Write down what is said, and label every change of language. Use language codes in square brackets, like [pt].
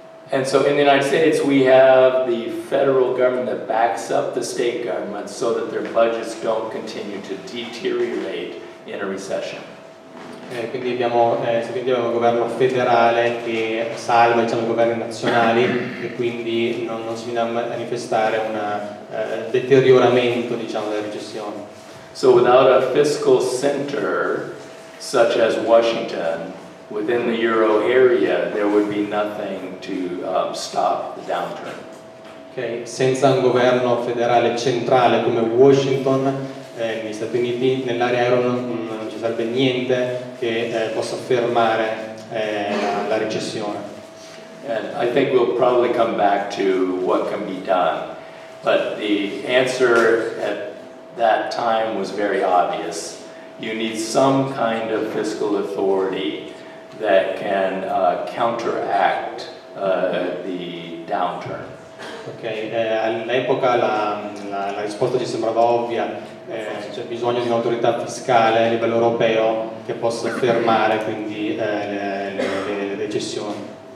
[en] And so in the United States we have the federal government that backs up the state government so that their budgets don't continue to deteriorate in a recession. [it] Quindi abbiamo un governo federale che salva, diciamo, i governi nazionali e quindi non si viene a manifestare un deterioramento, diciamo, della recessione. [en] So without a fiscal center such as Washington within the euro area, there would be nothing to stop the downturn. [it] Okay, senza un governo federale centrale come Washington negli Stati Uniti, nell'area euro non ci sarebbe niente che possa fermare la recessione. [en] And I think we'll probably come back to what can be done, but the answer at that time was very obvious. You need some kind of fiscal authority that can counteract the downturn. [it] Okay, all'epoca la risposta ci sembrava ovvia. C'è bisogno di un'autorità fiscale a livello europeo che possa fermare quindi le recessioni.